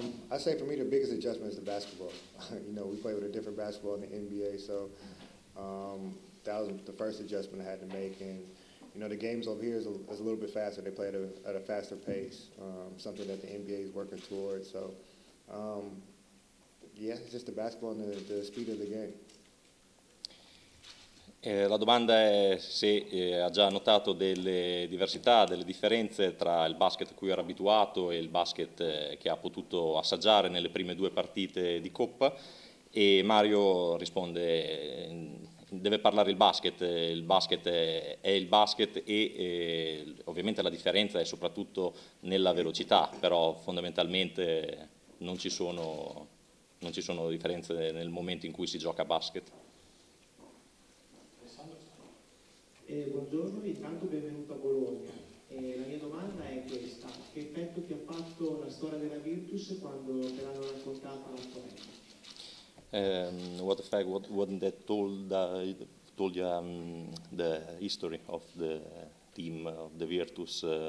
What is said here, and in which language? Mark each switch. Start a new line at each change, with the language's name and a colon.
English: I say for me the biggest adjustment is the basketball. You know, we play with a different basketball in the NBA, so that was the first adjustment I had to make. And, you know, the games over here is a little bit faster. They play at a faster pace, something that the NBA is working towards. So, yeah, it's just the basketball and the speed of the game.
Italian: La domanda è se ha già notato delle diversità, delle differenze tra il basket a cui era abituato e il basket che ha potuto assaggiare nelle prime due partite di Coppa. E Mario risponde, deve parlare il basket è il basket e ovviamente la differenza è soprattutto nella velocità, però fondamentalmente non ci sono differenze nel momento in cui si gioca a basket. Buongiorno, intanto benvenuto a Bologna. La mia domanda è questa: che effetto ti ha fatto la storia della Virtus quando te l'hanno raccontata la tua vita?
English: What effect? What that told told you the history of the team of the Virtus?